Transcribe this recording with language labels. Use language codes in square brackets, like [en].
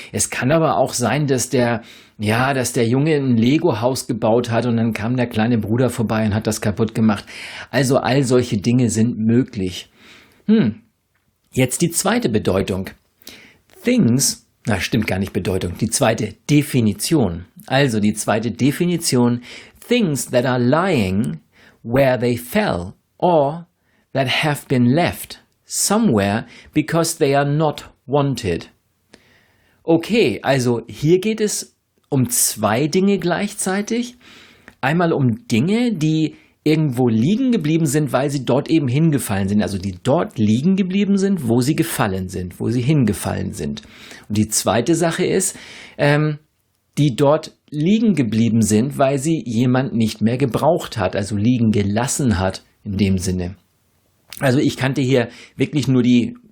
[de] Es kann aber auch sein, dass der Junge ein Lego-Haus gebaut hat und dann kam der kleine Bruder vorbei und hat das kaputt gemacht. Also all solche Dinge sind möglich. Jetzt die zweite Bedeutung. Things, na stimmt gar nicht Bedeutung, die zweite Definition. Also die zweite Definition, [en] things that are lying where they fell or that have been left somewhere because they are not wanted. [de] Okay, also hier geht es um zwei Dinge gleichzeitig. Einmal um Dinge, die irgendwo liegen geblieben sind, weil sie dort eben hingefallen sind. Also die dort liegen geblieben sind, wo sie gefallen sind, wo sie hingefallen sind. Und die zweite Sache ist, die dort liegen geblieben sind, weil sie jemand nicht mehr gebraucht hat, also liegen gelassen hat in dem Sinne. Also ich kannte hier wirklich nur die